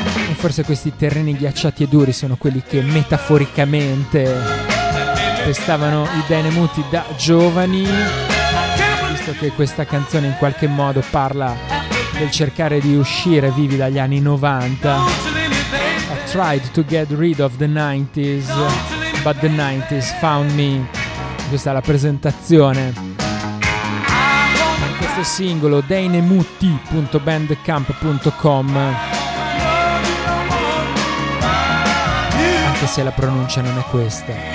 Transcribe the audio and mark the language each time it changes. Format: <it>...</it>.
<it>E forse questi terreni ghiacciati e duri sono quelli che metaforicamente pestavano i Dane Mutti da giovani, visto che questa canzone in qualche modo parla del cercare di uscire vivi dagli anni 90.</it> <en>I tried to get rid of the 90s, but the 90s found me.</en> <it>Questa è la presentazione. Questo singolo, danemutti.bandcamp.com. Anche se la pronuncia non è questa.</it>